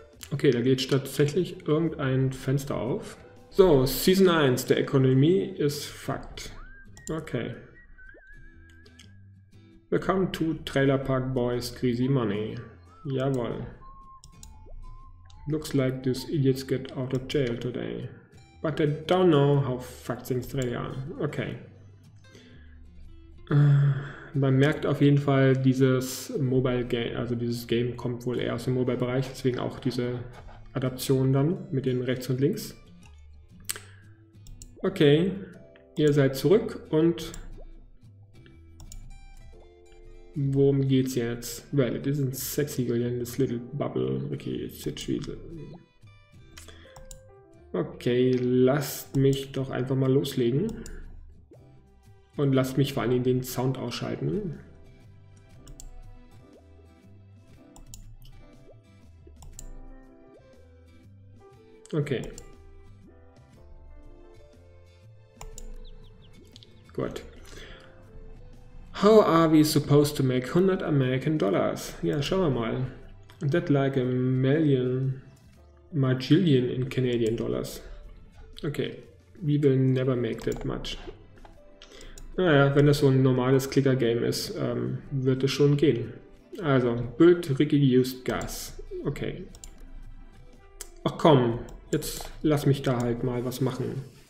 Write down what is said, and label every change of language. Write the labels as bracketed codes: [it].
[de] Okay, da geht tatsächlich irgendein Fenster auf. So, Season 1, der Economy ist fucked. Okay. [en] Welcome to Trailer Park Boys Greasy Money. Jawohl. Looks like these idiots get out of jail today. But I don't know how fucked things really are. Okay. [de] Man merkt auf jeden Fall, dieses Mobile Game, also dieses Game kommt wohl eher aus dem Mobile-Bereich, deswegen auch diese Adaption dann mit den rechts und links. Okay, ihr seid zurück und worum geht's jetzt? [en] Well, it isn't sexy girl in this little bubble. Okay, it's weasel. [de] Okay, lasst mich doch einfach mal loslegen. Und lasst mich vor allem den Sound ausschalten. Okay. Gut. [en] How are we supposed to make 100 American Dollars? [de] Ja, schauen wir mal. [en] That like a million, majillion in Canadian Dollars. Okay. We will never make that much. [de] Naja, wenn das so ein normales Clicker-Game ist, wird es schon gehen. Also, Build Rigged Used Gas. Okay. Ach komm, jetzt lass mich da halt mal was machen.